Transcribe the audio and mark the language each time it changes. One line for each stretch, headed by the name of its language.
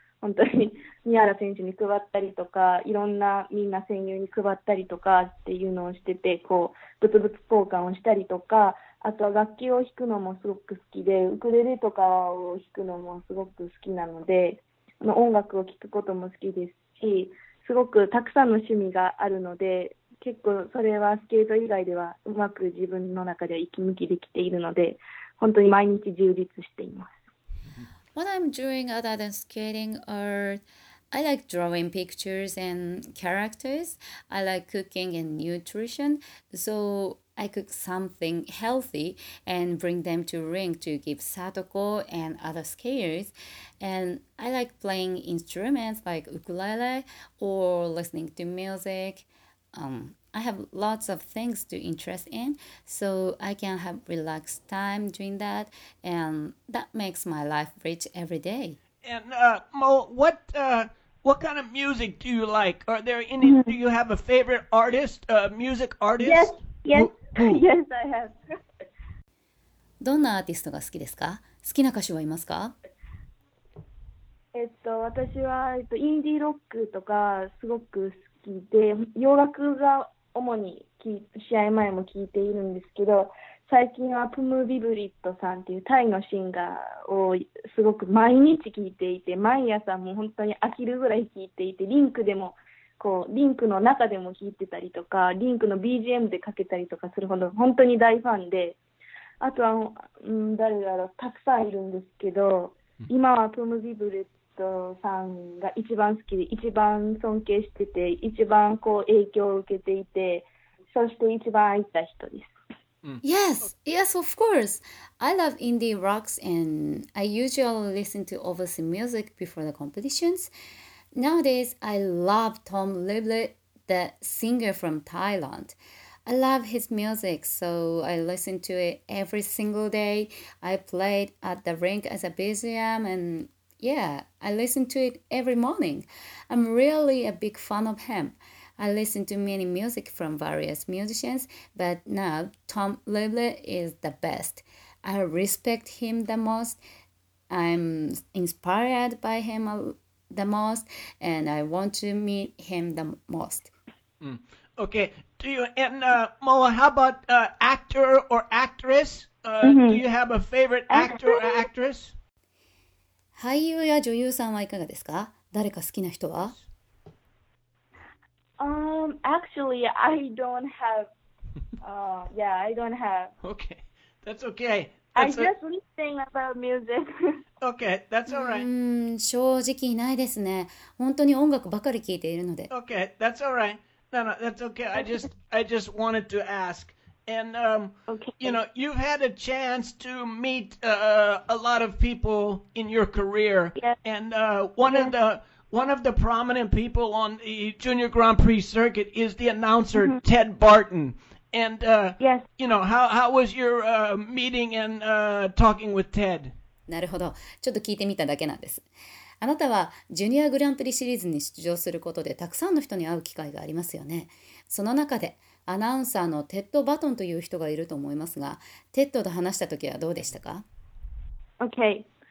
Japanese: 本当に宮原選手に配ったりとか、いろんなみんな戦友に配ったりとかっていうのをしてて、物々交換をしたりとか、あとは楽器を弾くのもすごく好きで、ウクレレとかを弾くのもすごく好きなので、音楽を聴くことも好きですし、すごくたくさんの趣味があるので、結構それはスケート以外ではうまく自分の中で息抜きできているので、本当に毎日充実しています。
English: What I'm doing other than skating are, I like drawing pictures and characters. I like cooking and nutrition. So I cook something healthy and bring them to ring to give Satoko and other skaters. And I like playing instruments like ukulele or listening to music. I have lots of things to interest in, so I can have relaxed time doing that, and that makes my life rich every day. And Mo, what kind of music do you like? Are there any? Do you have a favorite artist, music artist? Yes, yes, yes, I have.
Japanese: どんなアーティストが好きですか？好きな歌手はいますか？私はインディーロックとかすごく好きで、洋楽が主に試合前も聞いているんですけど、最近はプムビブリットさんっていうタイのシンガーをすごく毎日聞いていて、毎朝もう本当に飽きるぐらい聞いていて、リンクでもこうリンクの中でも聞いてたりとか、リンクの BGM でかけたりとかするほど本当に大ファンで、あとは、誰だろう、たくさんいるんですけど、今はプムビブリットさんが一番好きで、一番尊敬してて、一番こう影響を受けていて、そして一番愛した人です。
English: Yes, yes, of course. I love indie rocks and I usually listen to overseas music before the competitions. Nowadays, I love Tom Liblet, the singer from Thailand. I love his music, so I listen to it every single day. I played at the rink as a BGM andYeah, I listen to it every morning. I'm really a big fan of him. I listen to many music from various musicians, but now Tom Liblet is the best. I respect him the most. I'm inspired by him the most, and I want to meet him the most. Okay. Do you, and Mo, how about actor or actress? Do you have a favorite actor or actress?
Japanese: 俳優や女優さんはいかがですか？誰か好きな人は？
English: Actually, I don't have. Yeah, I don't have. Okay, that's okay. I just listening about music. Okay, that's alright.
Japanese: 正直いないですね。本当に音楽ばかり聞いているので。
English: Okay, that's alright. No, no, that's okay. I just wanted to ask. And, you know, you've had a chance to meet a lot of people in your career. Yeah. And one of the prominent people on the Junior Grand Prix circuit is the announcer, Ted Barton. And, yes. You know, how was your meeting and talking with Ted?
Japanese: なるほど。ちょっと聞いてみただけなんです。あなたはジュニアグランプリシリーズに出場することでたくさんの人に会う機会がありますよね。その中でアナウンサーのテッド・バトンという人がいると思いますが、テッドと話したときはどうでしたか？
English: OK。